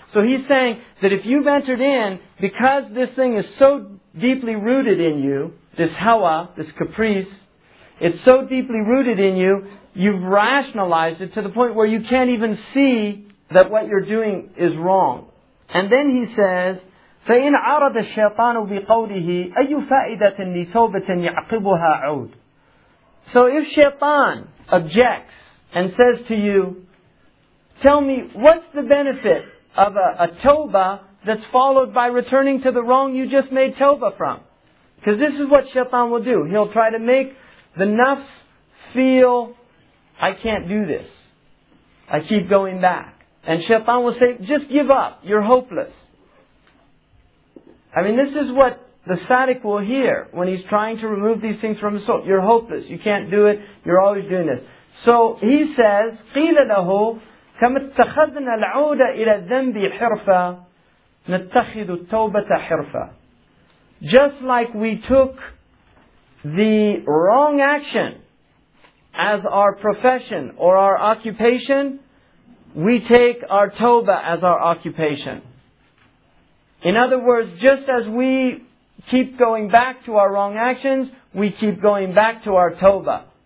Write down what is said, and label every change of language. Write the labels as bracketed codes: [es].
[en] So he's saying that if you've entered in, because this thing is so deeply rooted in you, this hawa, this caprice, it's so deeply rooted in you, you've rationalized it to the point where you can't even see that what you're doing is wrong. And then he says, [ar] فإن عارض الشيطان بقوله أي فائدة لتوبة يعقبها عود. [en] So if Shaitan objects and says to you, tell me, what's the benefit of a tawbah that's followed by returning to the wrong you just made tawbah from? Because this is what Shaitan will do. He'll try to make the nafs feel, I can't do this. I keep going back. And Shaitan will say, just give up. You're hopeless. I mean, this is what the sadiq will hear when he's trying to remove these things from his soul. You're hopeless. You can't do it. You're always doing this. So he says, [ar] قِيلَ لَهُ كَمَ اتَّخَذْنَا الْعُودَ إِلَى الذَّنْبِ حِرْفَ نَتَّخِذُ التَّوْبَةَ حِرْفَ. [en] Just like we took the wrong action as our profession or our occupation, we take our tawbah as our occupation. In other words, just as we keep going back to our wrong actions, we keep going back to our tawbah.